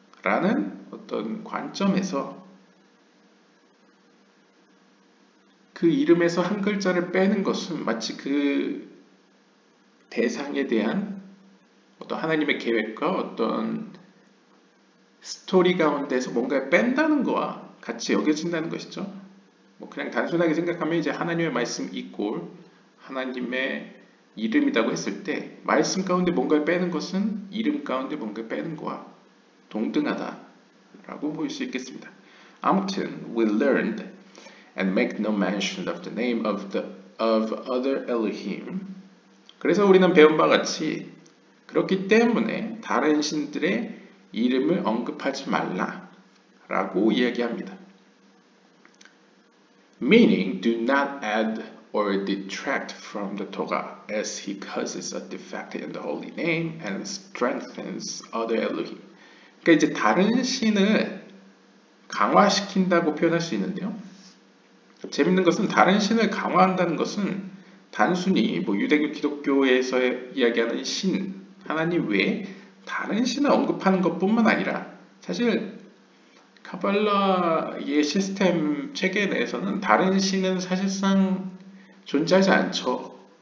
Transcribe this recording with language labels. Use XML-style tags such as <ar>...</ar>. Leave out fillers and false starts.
<ko>라는 어떤 관점에서 그 이름에서 한 글자를 빼는 것은 마치 그 대상에 대한 어떤 하나님의 계획과 어떤 스토리 가운데서 뭔가를 뺀다는 거와 같이 여겨진다는 것이죠. 뭐 그냥 단순하게 생각하면 이제 하나님의 말씀 이꼴 하나님의 이름이라고 했을 때 말씀 가운데 뭔가를 빼는 것은 이름 가운데 뭔가를 빼는 것과 동등하다라고 보일 수 있겠습니다. 아무튼</ko> <en>we learned and make no mention of the name of the of other Elohim.</en> <ko>그래서 우리는 배운 바 같이 그렇기 때문에 다른 신들의 이름을 언급하지 말라. 라고 이야기합니다.</ko> <en>Meaning, do not add or detract from the Torah, as he causes a defect in the holy name and strengthens other Elohim.</en> <ko>그러니까 이제 다른 신을 강화시킨다고 표현할 수 있는데요. 재밌는 것은 다른 신을 강화한다는 것은 단순히 뭐 유대교 기독교에서 이야기하는 신, 하나님 외에 다른 신을 언급하는 것뿐만 아니라 사실 카발라의 시스템 체계 내에서는 다른 신은 사실상 존재하지 않죠.</ko>